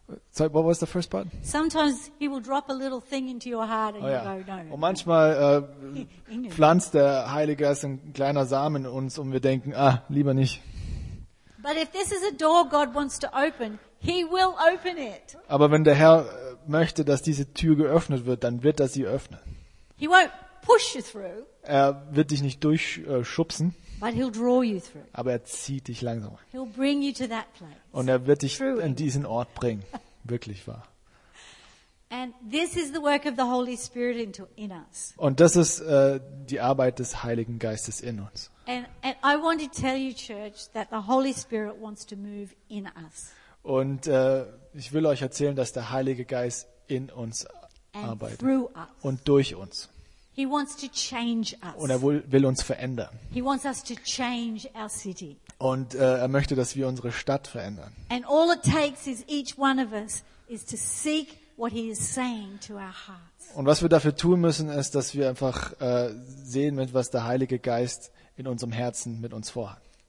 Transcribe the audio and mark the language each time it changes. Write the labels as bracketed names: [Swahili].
[English] Sorry, what was the first part? Sometimes he will drop a little thing into your heart and you go, no. [German] Und manchmal pflanzt der Heilige Geist ein kleiner Samen in uns und wir denken, ah, lieber nicht. [English] But if this is a door God wants to open, he will open it. [German] Aber wenn der Herr möchte, dass diese Tür geöffnet wird, dann wird er sie öffnen. [English] He won't push you through. [German] Er wird dich nicht durchschubsen. [English] But he'll draw you through. [German] Aber er zieht dich langsam. [English] He'll bring you to that place. [German] Und er wird dich in diesen Ort bringen, wirklich wahr. [English] And this is the work of the Holy Spirit in us. [German] Und das ist die Arbeit des Heiligen Geistes in uns. [English] And I want to tell you, church, that the Holy Spirit wants to move in us. [German] Und ich will euch erzählen, dass der Heilige Geist in uns arbeitet und durch uns. [English] He wants to change us. [German] Und er will uns verändern. [English] He wants us to change our city. [German] Und er möchte, dass wir unsere Stadt verändern. [English] And all it takes is each one of us is to seek what he is saying to our hearts. [German] Und was wir dafür tun müssen, ist, dass wir einfach sehen, mit was der Heilige Geist in unserem Herzen mit uns vorhat.